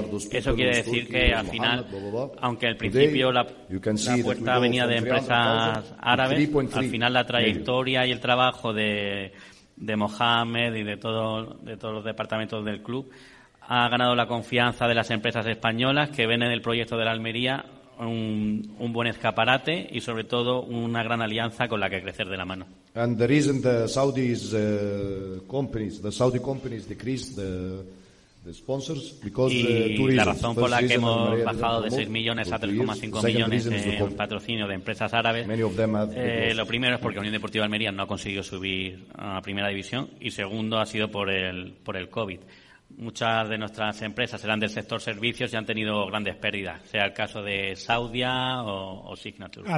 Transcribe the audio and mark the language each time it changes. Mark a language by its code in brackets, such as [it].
[es] Eso quiere decir que al final, aunque al principio la apuesta venía de empresas árabes, al final la trayectoria y el trabajo de Mohamed y de todos los departamentos del club ha ganado la confianza de las empresas españolas que ven en el proyecto de la Almería un buen escaparate y sobre todo una gran alianza con la que crecer de la mano. [en] And the reason the Saudi's companies, the Saudi companies decreased the sponsors because tourism. [es] Y la razón por la que hemos bajado de 6 millones a 3,5 millones en patrocinio de empresas árabes. Lo primero es porque Unión Deportiva de Almería no ha conseguido subir a la primera división y segundo ha sido por el COVID. Muchas de nuestras empresas eran del sector servicios y han tenido grandes pérdidas, sea el caso de Saudia o Signature.